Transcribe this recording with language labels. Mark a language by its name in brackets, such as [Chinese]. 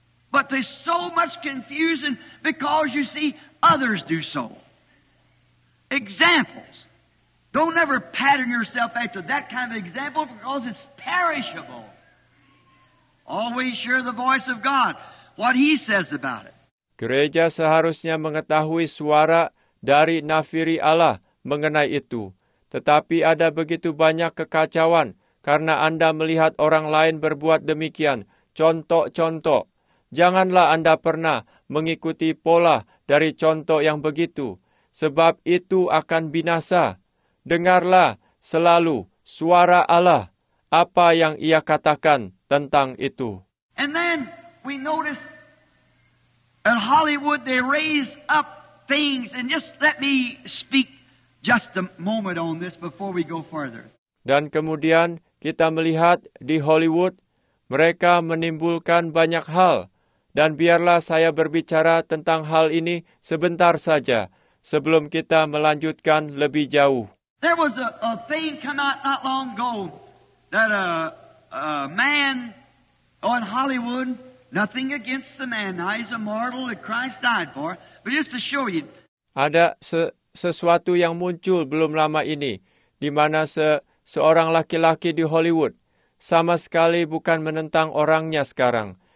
[English] But there's so much confusion because you see others do so. Examples. Don't ever pattern yourself after that kind of example because it's perishable. Always hear the voice of God. What he says about it. [Indonesian] Gereja seharusnya mengetahui suara dari nafiri Allah mengenai itu. Tetapi ada begitu banyak kekacauan karena Anda melihat orang lain berbuat demikian. Contoh-contoh. Janganlah Anda pernah mengikuti pola dari contoh yang begitu, sebab itu akan binasa. Dengarlah selalu suara Allah, apa yang Ia katakan tentang itu. [English] And then we notice in Hollywood they raise up things, and just let me speak just a moment on this before we go further. [Indonesian] Dan kemudian kita melihat di Hollywood mereka menimbulkan banyak hal. Dan biarlah saya berbicara tentang hal ini sebentar saja sebelum kita melanjutkan lebih jauh. [English] There was a thing come out not long ago that a man on Hollywood, nothing against the man, he's a mortal that Christ died for, but just to show you. [Indonesian] Ada sesuatu yang muncul belum lama ini di mana seorang laki-laki di Hollywood sama sekali bukan menentang orangnya sekarang.